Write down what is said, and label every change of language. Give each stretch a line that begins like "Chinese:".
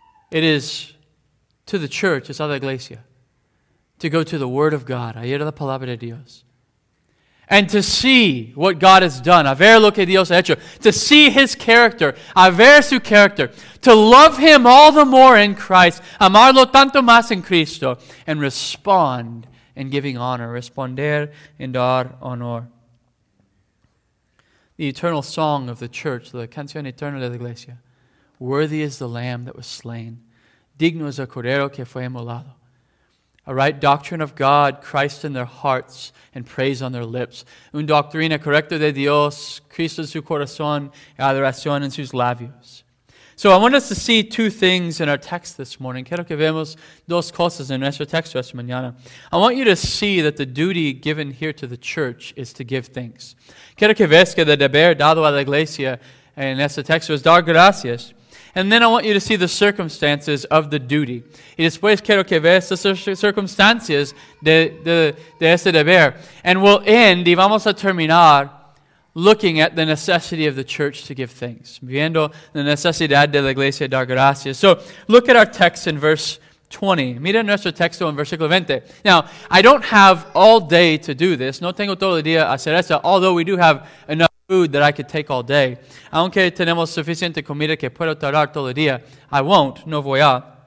English: It is to the church, it's
Spanish: a la iglesia,
English: to go to the Word of God,
Spanish: a ir a la palabra de Dios,
English: and to see what God has done,
Spanish: a ver lo que Dios ha hecho,
English: to see His character,
Spanish: a ver su character,
English: to love Him all the more in Christ,
Spanish: amarlo tanto más en Cristo,
English: and respond in giving honor,
Spanish: responder en dar honor.
English: The eternal song of the church,
Spanish: la canción eterna de la iglesia,
English: worthy is the Lamb that was slain,
Spanish: digno es el Cordero que fue inmolado.
English: A right doctrine of God, Christ in their hearts, and praise on their lips.
Spanish: Un doctrina correcta de Dios, Cristo en su corazón, adoración en sus labios.
English: So I want us to see two things in our text this morning.
Spanish: Quiero que veamos dos cosas en nuestro texto esta mañana.
English: I want you to see that the duty given here to the church is to give thanks.
Spanish: Quiero que veas que el deber dado a la iglesia en este texto es dar gracias.
English: And then I want you to see the circumstances of the duty.
Spanish: Y después quiero que veas las circunstancias de este deber.
English: And we'll end,
Spanish: y vamos a terminar,
English: looking at the necessity of the church to give thanks.
Spanish: Viendo la necesidad de la iglesia dar gracias.
English: So, look at our text in verse 20.
Spanish: Mira nuestro texto en versículo 20.
English: Now, I don't have all day to do this.
Spanish: No tengo todo el día hacer eso,
English: although we do have enough food that I could take all day.
Spanish: Aunque tenemos suficiente comida que puedo tardar todo el día,
English: I won't,
Spanish: no voy a.